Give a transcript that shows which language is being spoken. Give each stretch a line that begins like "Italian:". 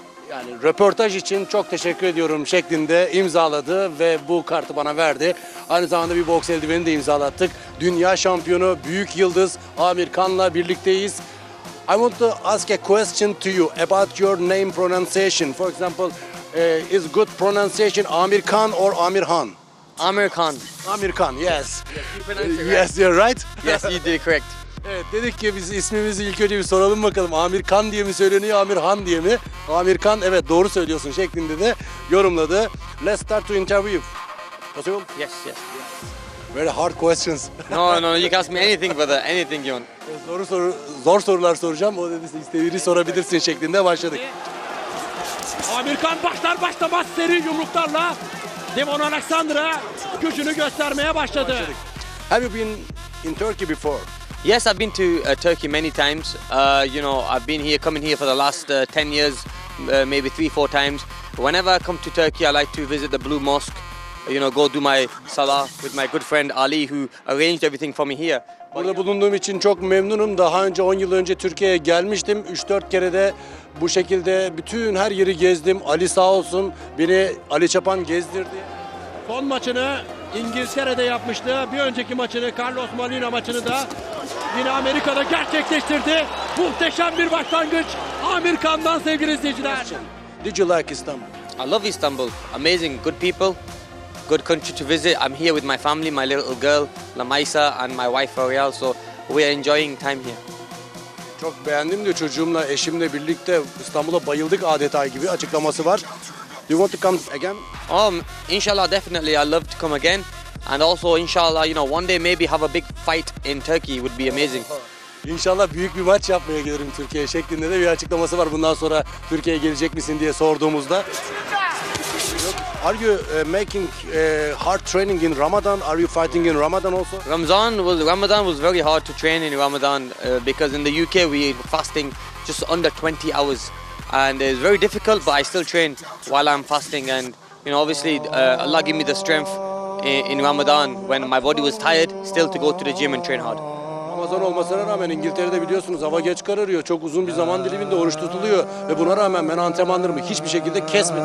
Turkish: Yani röportaj için çok teşekkür ediyorum şeklinde imzaladı ve bu kartı bana verdi. Aynı zamanda bir boks eldivenini de imzalattık. Dünya şampiyonu, büyük yıldız Amir Khan'la birlikteyiz.
English: I want to ask a question to you about your name pronunciation. For example, is good pronunciation Amir Khan or Amir Han? Amir Khan. Amir Khan, yes. Yes, you yes, you're right. Yes, you did correct.
Turkish: Evet, dedik ki biz ismimizi ilk önce bir soralım bakalım. Amir Khan diye mi söyleniyor, Amir Han diye mi? Amir Khan, evet doğru söylüyorsun şeklinde de yorumladı.
English: Let's start to interview. Possible? Yes, yes. Very hard questions. No, you can ask me anything brother, anything you want.
Turkish: Zor sorular soracağım, o dedi istediğini sorabilirsin şeklinde başladık. Amir Khan başlar başlamaz seri yumruklarla. Devon Alexander'a gücünü göstermeye başladı.
English: Have you been in Turkey before? Yes, I've been to Turkey many times. You know, I've been here, coming here for the last 10 years, maybe 3-4 times. Whenever I come to Turkey, I like to visit the Blue Mosque. You know, go do my salah with my good friend Ali, who arranged everything for me here.
Turkish: Burada bulunduğum için çok memnunum. Daha önce 10 yıl önce Türkiye'ye gelmiştim. 3-4 kere de bu şekilde bütün her yeri gezdim. Ali sağ olsun beni Ali Çapan gezdirdi. Son maçını İngiltere'de yapmıştı. Bir önceki maçını, Carlos Molina maçını da yine Amerika'da gerçekleştirdi. Muhteşem bir başlangıç Amir Khan'dan sevgili izleyiciler.
English: Did you like Istanbul? I love Istanbul. Amazing, good people. Good country to visit. I'm here with my family, my little girl, Lamaisa, and my wife, Royal. So we are enjoying time here.
Turkish: Çok beğendim de çocuğumla, eşimle birlikte İstanbul'a bayıldık adeta gibi açıklaması var.
English: Do you want to come again? Inshallah, definitely. I'd love to come again. And also, inshallah, you know, one day maybe have a big fight in Turkey. It would be amazing.
Turkish: İnşallah büyük bir maç yapmaya gelirim Türkiye'ye şeklinde de bir açıklaması var. Bundan sonra Türkiye'ye gelecek misin diye sorduğumuzda.
English: Are you making hard training in Ramadan? Are you fighting in Ramadan also? Ramadan was very hard to train in Ramadan because in the UK we fasting just under 20 hours. And it's very difficult, but I still train while I'm fasting. And, you know, obviously Allah gave me the strength in Ramadan when my body was tired, still to go to the gym and train hard.
Turkish: Ramazan olmasına rağmen İngiltere'de biliyorsunuz hava geç kararıyor. Çok uzun bir zaman diliminde oruç tutuluyor. Ve buna rağmen ben antrenmanlarımı hiçbir şekilde kesmedim.